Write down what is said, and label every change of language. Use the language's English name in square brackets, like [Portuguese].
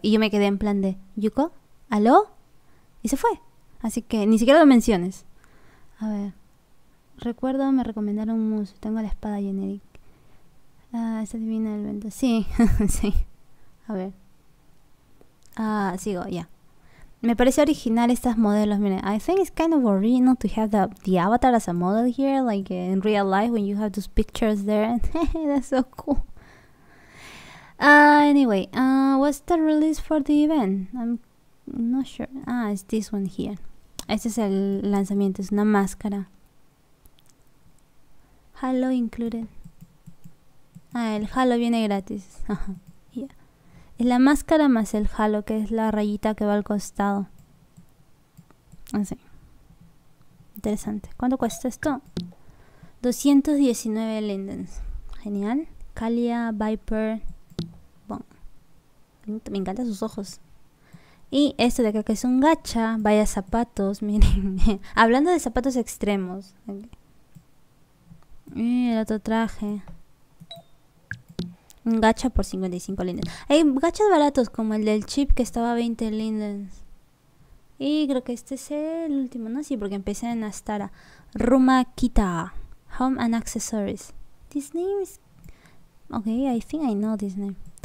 [Spanish] Y yo me quedé en plan de, ¿Yuko? ¿Aló? Y se fue. Así que ni siquiera lo menciones. A ver. Recuerdo, me recomendaron un mus. Tengo la espada generic. Ah, es adivina el vento. Sí, sí. A ver. Sigo, ya. Me parece original estas modelos. [English] Miren, I think it's kind of original to have the avatar as a model here, like in real life when you have those pictures there. That's so cool. Anyway, what's the release for the event? I'm not sure. Ah, it's this one here. [Spanish] Este es el lanzamiento, es una máscara. [English] Halo included. [Spanish] Ah, el halo viene gratis. Es la máscara más el halo, que es la rayita que va al costado. Así. Interesante. ¿Cuánto cuesta esto? 219 lindens. Genial. Kalia Viper. Bueno, me encantan sus ojos. Y esto de acá, que es un gacha. Vaya zapatos, miren. Hablando de zapatos extremos. Y el otro traje. Un gacha por 55 lindens. Hay gachas baratos como el del chip que estaba a 20 lindens. Y creo que este es el último, ¿no? Sí, porque empecé en Astara. [English] Rumakita. Home and Accessories. This name is... Okay, I think I know this name.